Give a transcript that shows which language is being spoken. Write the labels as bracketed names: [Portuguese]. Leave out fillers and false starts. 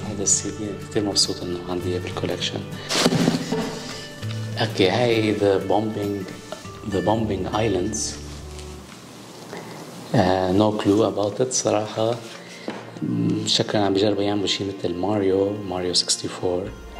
[Arabic] هذا CD كتير مبسوط إنه عندي بالكولكشن. اوكي هاي the bombing islands. [English] No clue about it [Arabic] صراحة. شكرا عم بجربوا يعملوا شيء مثل ماريو 64.